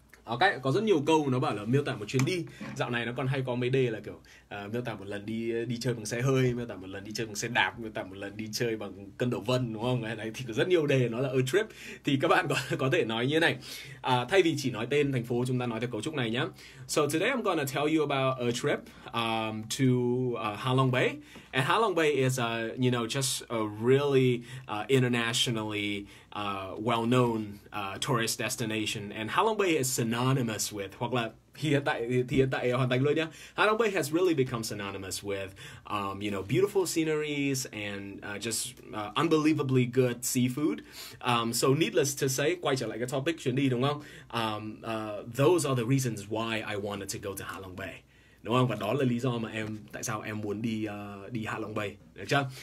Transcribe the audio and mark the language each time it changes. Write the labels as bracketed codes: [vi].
[vi] Okay, có rất nhiều câu nó bảo là miêu tả một chuyến đi. Dạo này nó còn hay có mấy đề là kiểu miêu tả một lần đi đi chơi bằng xe hơi, miêu tả một lần đi chơi bằng xe đạp, miêu tả một lần đi chơi bằng cân đổ vân, đúng không? Đấy, thì có rất nhiều đề nó là a trip. Thì các bạn có thể nói như thế này. Thay vì chỉ nói tên thành phố, chúng ta nói theo cấu trúc này nhá. [en] So today I'm gonna tell you about a trip to Ha Long Bay. And Ha Long Bay is just a really internationally well-known tourist destination. And Ha Long Bay is synonymous with, [vi] hoặc là hiện tại hoàn thành luôn nhá. [en] Ha Long Bay has really become synonymous with, beautiful sceneries and just unbelievably good seafood. So needless to say, [vi] quay trở lại cái topic chuyến đi đúng không? [en] Those are the reasons why I wanted to go to Ha Long Bay. [vi] Đúng không? Và đó là lý do mà em tại sao em muốn đi đi Hạ Long Bay, được chưa?